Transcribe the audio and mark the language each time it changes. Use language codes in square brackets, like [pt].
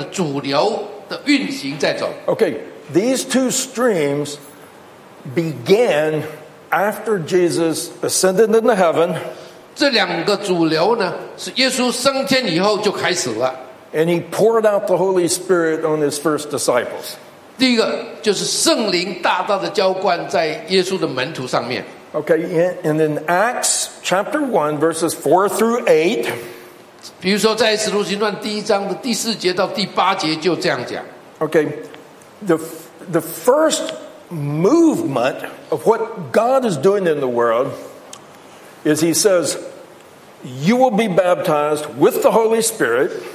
[zh] 你可以说上帝在这个世界有两个很重要的主流的运行在走。 [en] Okay, these two streams began after Jesus ascended into heaven. [zh] 这两个主流呢，是耶稣升天以后就开始了。 [en] And he poured out the Holy Spirit on his first disciples. [zh] 第一个就是圣灵大大的浇灌在耶稣的门徒上面。 [en] Okay, and in Acts chapter 1, verses 4 through 8. [zh] 比如说在使徒行传第一章的第四节到第八节就这样讲。 [en] Okay, the first movement of what God is doing in the world is he says, you will be baptized with the Holy Spirit.